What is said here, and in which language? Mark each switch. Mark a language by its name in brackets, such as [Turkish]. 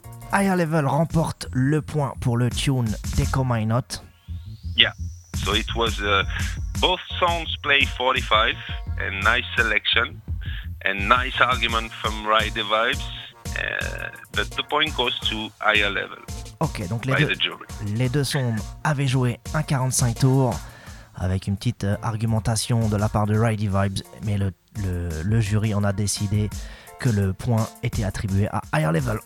[French] Higher Level remporte le point pour le tune Deco My Note. [English] Yeah, so it was both songs play 45 and nice selection and nice argument from Ride the Vibes, but the point goes to higher level. [French] Ok, donc les deux sons avaient joué un 45 tours avec une petite argumentation de la part de Ridey Vibes, mais le jury en a décidé que le point était attribué à Higher Level.